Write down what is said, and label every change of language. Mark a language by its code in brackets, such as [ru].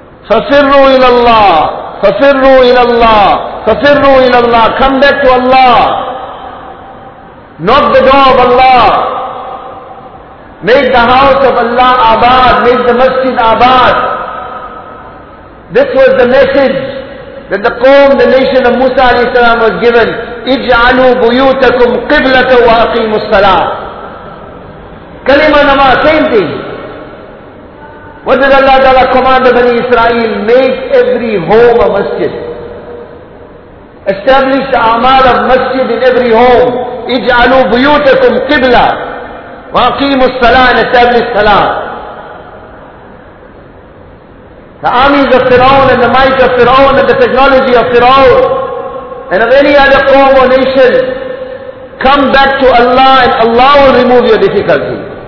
[ar] فَفِرُّوا إِلَى اللَّهِ فَفِرُّوا إِلَى اللَّهِ فَفِرُّوا إِلَى اللَّهِ [en] Come back to Allah. Knock the door of Allah. Make the house of Allah abad. Make the masjid abad. This was the message that the Qawm, the nation of Musa a.s. was given. [ar] اِجْعَلُوا بُيُوتَكُمْ قِبْلَةً وَأَقِيمُ السَّلَاةِ [en] Kalima nama, same thing. What did Allah Ta'ala command of Bani Israel? Make every home a masjid. Establish the amal of masjid in every home. [ar] اِجْعَلُوا بُيُوتَكُمْ قِبْلَةً وَأَقِيمُ السَّلَاةِ [en] and establish salah. The armies of Fir'aun and the might of Fir'aun and the technology of Fir'aun and of any other form or nation, come back to Allah and Allah will remove your difficulty.